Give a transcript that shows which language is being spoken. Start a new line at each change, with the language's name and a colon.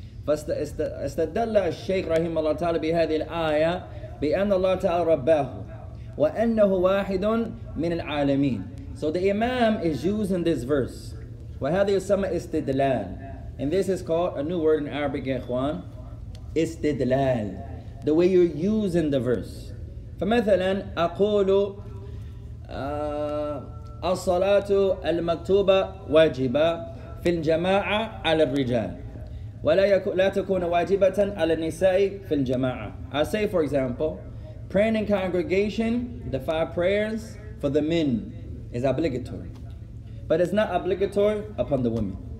Arabic: فاستدل الشيخ رحمه الله تعالى بهذه الآية بأن الله تعالى رباه وأنه واحد من العالمين.
English: So the Imam is using this verse.
Arabic: وهذا يسمى استدلال.
English: And this is called a new word in Arabic, إخوان. استدلال. The way you're using the verse.
Arabic: فمثلا أقول الصلاة المكتوبة واجبة. في الجماعة على الرجال ولا لا تكون واجبة على النساء في الجماعة
English: I say for example praying in congregation the five prayers for the men is obligatory but it's not obligatory upon the women